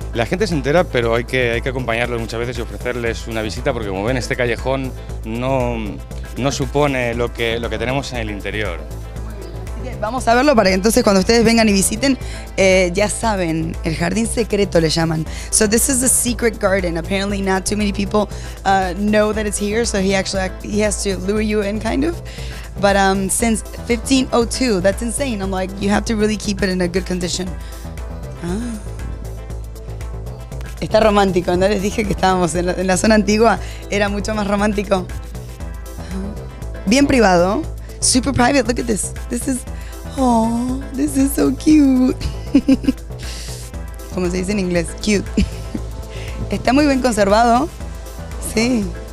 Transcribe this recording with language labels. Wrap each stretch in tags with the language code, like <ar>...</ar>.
<es>La gente se entera, pero hay que acompañarlos muchas veces y ofrecerles una visita, porque como ven, este callejón no supone lo que tenemos en el interior. Vamos a verlo para que entonces cuando ustedes vengan y visiten, ya saben, el jardín secreto le llaman.</es> <en>So this is the secret garden. Apparently not too many people know that it's here, so he has to lure you in kind of. But since 1502, that's insane. I'm like, you have to really keep it in a good condition.</en> <es>Ah. Está romántico, ¿no? Les dije que estábamos en la zona antigua, era mucho más romántico. Bien privado.</es> <en>Super private, look at this. This is, oh, this is so cute.</en> <es>Como se dice en inglés, cute. Está muy bien conservado. Sí.</es>